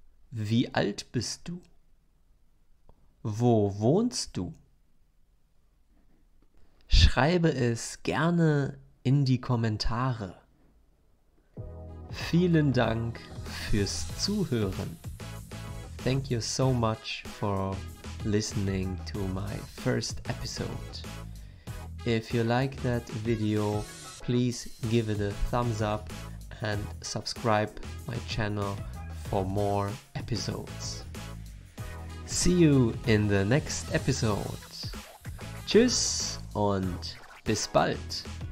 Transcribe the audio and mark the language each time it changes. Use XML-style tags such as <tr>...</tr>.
<de>Wie alt bist du? Wo wohnst du? Schreibe es gerne in die Kommentare. Vielen Dank fürs Zuhören.</de> <en>Thank you so much for listening to my first episode. If you like that video, please give it a thumbs up and subscribe my channel for more episodes. See you in the next episode.</en> <de>Tschüss und bis bald.</de>